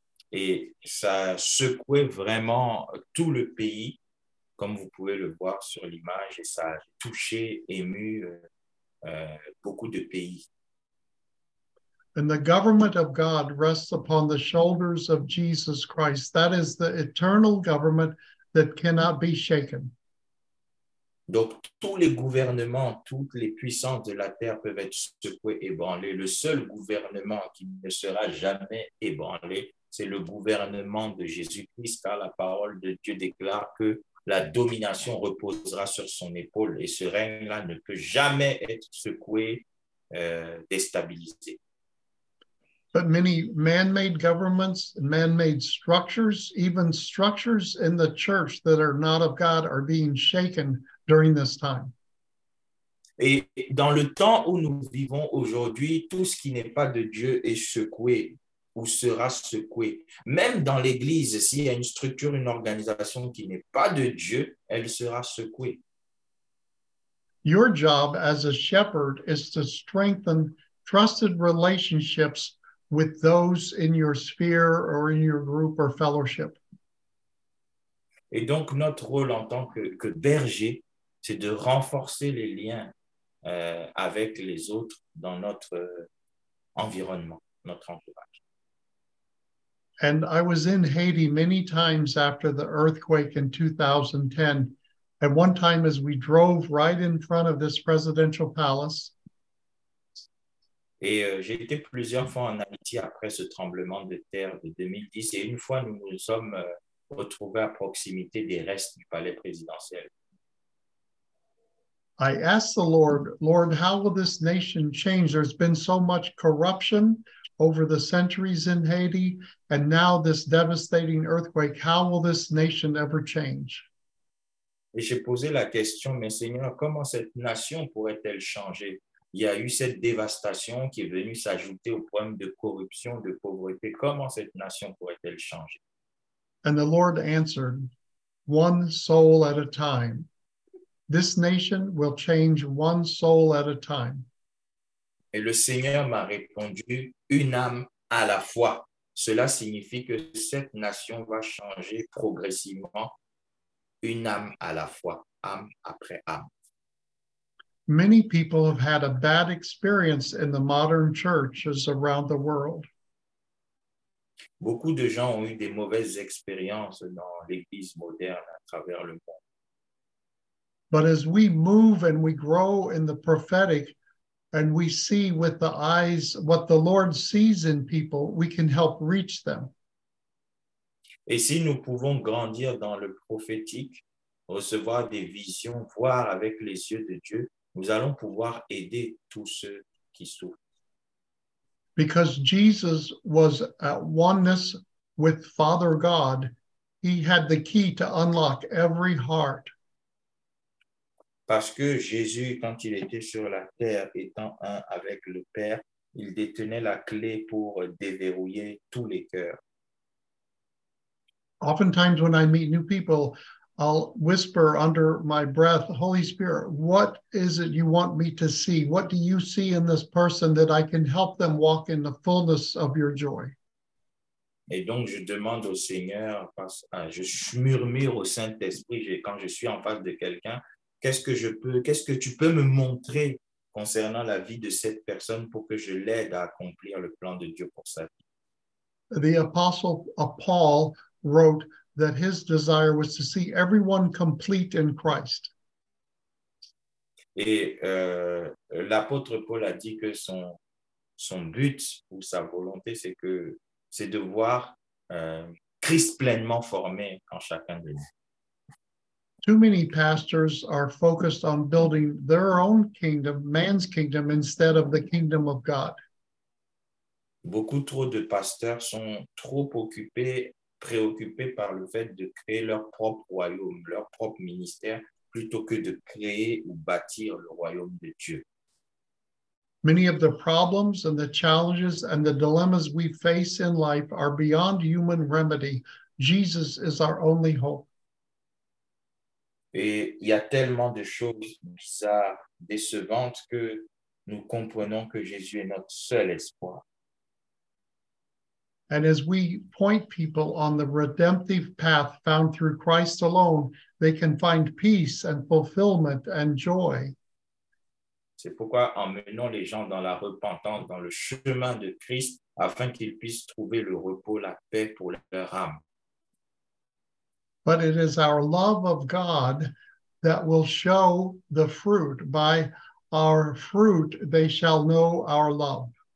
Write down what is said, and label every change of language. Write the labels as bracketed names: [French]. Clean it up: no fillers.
[French] Et ça secouait vraiment tout le pays, comme vous pouvez le voir sur l'image, et ça a touché, ému beaucoup de pays. [English] And the government of God rests upon the shoulders of Jesus Christ. That is the eternal government that cannot be shaken. [French] Donc, tous les gouvernements, toutes les puissances de la terre peuvent être secouées, ébranlées. Le seul gouvernement qui ne sera jamais ébranlé, c'est le gouvernement de Jésus-Christ, car la parole de Dieu déclare que la domination reposera sur son épaule et ce règne-là ne peut jamais être secoué, déstabilisé. [English] But many man-made governments, man-made structures, even structures in the church that are not of God are being shaken during this time. [French] Et dans le temps où nous vivons aujourd'hui, tout ce qui n'est pas de Dieu est secoué ou sera secoué. Même dans l'Église, s'il y a une structure, une organisation qui n'est pas de Dieu, elle sera secouée. [English] Your job as a shepherd is to strengthen trusted relationships with those in your sphere or in your group or fellowship. [French] Et donc notre rôle en tant que berger, c'est de renforcer les liens avec les autres dans notre environnement, notre entourage. [English] And I was in Haiti many times after the earthquake in 2010. At one time as we drove right in front of this presidential palace. [French] Et j'ai été plusieurs fois en Haïti après ce tremblement de terre de 2010. Et une fois, nous nous sommes retrouvés à proximité des restes du palais présidentiel. [English] I asked the Lord, Lord, how will this nation change? There's been so much corruption over the centuries in Haiti, and now this devastating earthquake. How will this nation ever change? [French] Et j'ai posé la question, mais Seigneur, comment cette nation pourrait-elle changer? Il y a eu cette dévastation qui est venue s'ajouter au problème de corruption, de pauvreté. Comment cette nation pourrait-elle changer? [English] And the Lord answered, one soul at a time. This nation will change one soul at a time. [French] Et le Seigneur m'a répondu, une âme à la fois. Cela signifie que cette nation va changer progressivement, une âme à la fois, âme après âme. [English] Many people have had a bad experience in the modern churches around the world. [French] Beaucoup de gens ont eu des mauvaises expériences dans l'Église moderne à travers le monde. [English] But as we move and we grow in the prophetic and we see with the eyes what the Lord sees in people, we can help reach them. [French] Et si nous pouvons grandir dans le prophétique, recevoir des visions, voir avec les yeux de Dieu, nous allons pouvoir aider tous ceux qui souffrent. [English] Because Jesus was at oneness with Father God, he had the key to unlock every heart. [French] Parce que Jésus, quand il était sur la terre, étant un avec le Père, il détenait la clé pour déverrouiller tous les cœurs. [English] Oftentimes when I meet new people, I'll whisper under my breath, Holy Spirit, what is it you want me to see? What do you see in this person that I can help them walk in the fullness of your joy? [French] Et donc, je demande au Seigneur, je murmure au Saint-Esprit, quand je suis en face de quelqu'un, qu'est-ce que tu peux me montrer concernant la vie de cette personne pour que je l'aide à accomplir le plan de Dieu pour sa vie. [English] The apostle Paul wrote that his desire was to see everyone complete in Christ. [French] Et l'apôtre Paul a dit que son but ou sa volonté, c'est de voir Christ pleinement formé en chacun de nous. [English] Too many pastors are focused on building their own kingdom, man's kingdom, instead of the kingdom of God. [French] Beaucoup trop de pasteurs sont trop occupés, préoccupés par le fait de créer leur propre royaume, leur propre ministère, plutôt que de créer ou bâtir le royaume de Dieu. [English] Many of the problems and the challenges and the dilemmas we face in life are beyond human remedy. Jesus is our only hope. [French] Et il y a tellement de choses bizarres, décevantes, que nous comprenons que Jésus est notre seul espoir. [English] And as we point people on the redemptive path found through Christ alone, they can find peace and fulfillment and joy. [French] C'est pourquoi en menant les gens dans la repentance, dans le chemin de Christ, afin qu'ils puissent trouver le repos, la paix pour leur âme. [English] But it is our love of God that will show the fruit. By our fruit, they shall know our love.